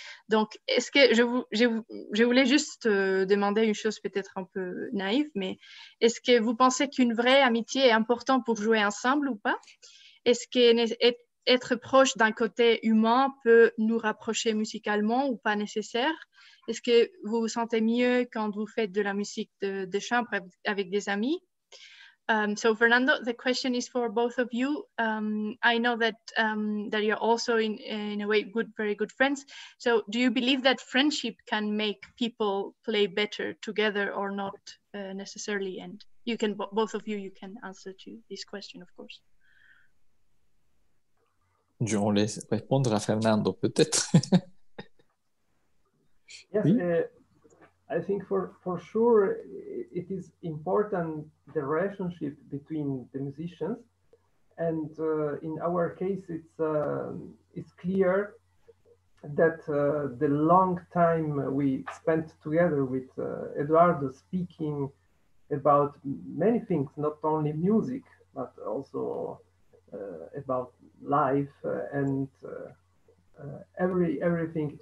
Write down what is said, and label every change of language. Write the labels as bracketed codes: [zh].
[fr] Donc, est-ce que je voulais juste demander une chose peut-être un peu naïve, mais est-ce que vous pensez qu'une vraie amitié est importante pour jouer ensemble ou pas? Est-ce que être proche d'un côté humain peut nous rapprocher musicalement ou pas nécessaire? Est-ce que vous vous sentez mieux quand vous faites de la musique de chambre avec des amis? [en] So Fernando, the question is for both of you. I know that that you're also in a way good, very good friends. So do you believe that friendship can make people play better together or not necessarily? And you can both of you, you can answer to this question, of course. [fr] Je vais laisse répondre à Fernando, peut-être. [en] Yes, oui? I think for sure it is important the relationship between the musicians, and in our case it's clear that the long time we spent together with Eduardo speaking about many things, not only music but also about life and everything.